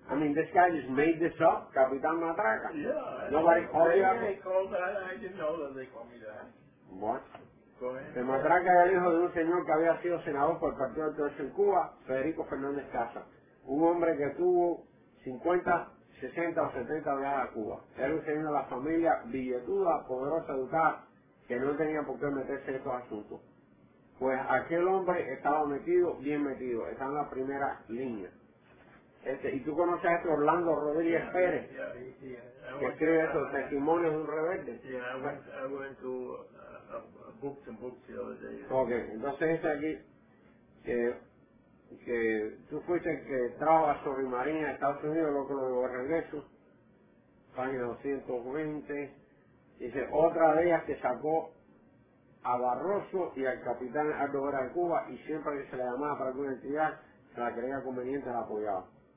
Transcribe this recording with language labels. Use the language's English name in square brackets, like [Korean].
[English] I mean, this guy just made this up, Capitán Matraca. Yeah. Nobody called you that. They called that. I didn't know that they called me that. What? Go ahead. [Spanish] El Matraca era el hijo de un señor que había sido senador por el Partido Autónomo en Cuba, Federico Fernández Casa. Un hombre que tuvo 50, 60 o 70 viajes a Cuba. Era un señor de la familia billetuda, poderosa, educada, que no tenía por qué meterse en estos asuntos. Pues aquel hombre estaba metido, bien metido, está en la primera línea. ¿Y tú conoces a este Orlando Rodríguez Pérez? [English] Yeah. [Spanish] Que escribe esos testimonios de un rebelde. [English] Sí, yeah, I went to books the other day. [Spanish] Ok, entonces dice aquí que tú fuiste el que trajo a Sorimarín a Estados Unidos, luego lo llevó a regreso, página 220. Dice, otra de ellas que sacó a Barroso y al capitán Aldo Vera de Cuba, y siempre que se le llamaba para alguna entidad, se la creía conveniente, la apoyaba.